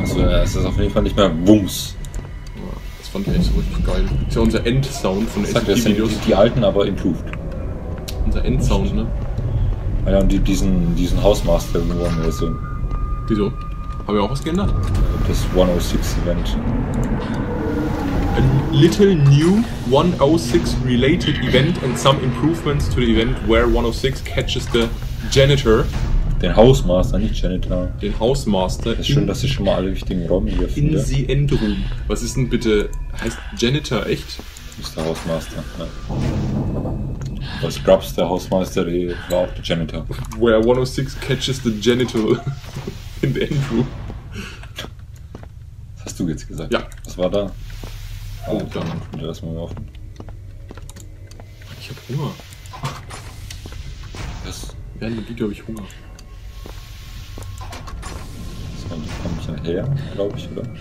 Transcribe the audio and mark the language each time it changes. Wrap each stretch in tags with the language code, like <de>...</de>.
<de>Also, ja, es ist auf jeden Fall nicht mehr Wumms. Ja, das fand ich echt so richtig geil. Das ist ja unser Endsound von SCP-Videos. Die alten, aber improved. Unser Endsound, ne? Ah ja, und diesen Hausmaster geworden, oder so. Wieso? Haben wir auch was geändert? Das 106-Event.</de> <en>A little new 106-related event and some improvements to the event where 106 catches the janitor.</en> <de>Den Hausmaster, nicht Janitor. Den Hausmaster. Ist schön, dass ich schon mal alle wichtigen Räume hier</de> <en>finde. In the end room.</en> <de>Was ist denn bitte, heißt Janitor echt? Ist der Hausmaster, ja. Bei Scrubs, der Hausmeister, der war auch der Janitor.</de> <en>Where 106 catches the janitor in the end room.</en> <de>Was hast du jetzt gesagt? Ja. Was war da? Oh, ah, dann. Könnte das mal offen. Ich hab Hunger. Was? Während dem Video hab ich Hunger. So, da komm ich nachher, glaub ich, oder?</de>